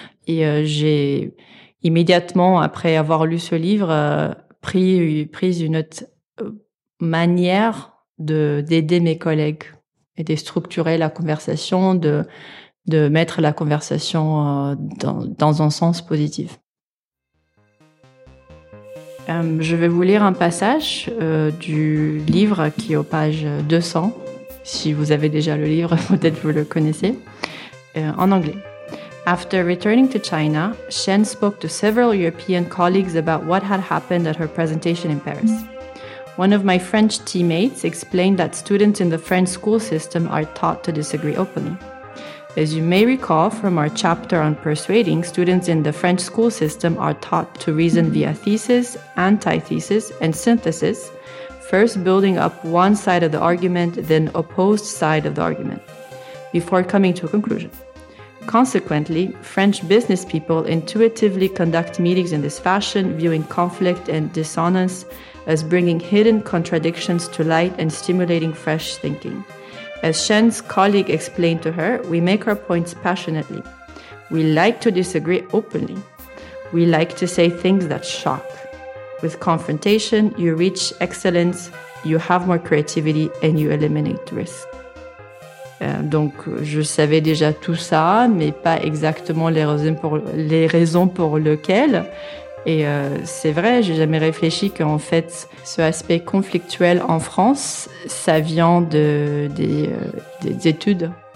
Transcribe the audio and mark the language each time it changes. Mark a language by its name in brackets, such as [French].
[French] Et j'ai immédiatement, après avoir lu ce livre, pris une autre manière d'aider mes collègues et de structurer la conversation, de mettre la conversation dans un sens positif. Je vais vous lire un passage du livre qui est aux pages 200. Si vous avez déjà le livre, peut-être vous le connaissez. En anglais. [English] After returning to China, Shen spoke to several European colleagues about what had happened at her presentation in Paris. One of my French teammates explained that students in the French school system are taught to disagree openly. As you may recall from our chapter on persuading, students in the French school system are taught to reason via thesis, antithesis, and synthesis, first building up one side of the argument, then opposed side of the argument, before coming to a conclusion. Consequently, French business people intuitively conduct meetings in this fashion, viewing conflict and dissonance as bringing hidden contradictions to light and stimulating fresh thinking. As Shen's colleague explained to her, we make our points passionately. We like to disagree openly. We like to say things that shock. With confrontation, you reach excellence, you have more creativity, and you eliminate risk. [French] Donc, je savais déjà tout ça, mais pas exactement les raisons pour lesquelles. Et c'est vrai, j'ai jamais réfléchi qu'en fait, ce aspect conflictuel en France, ça vient des études.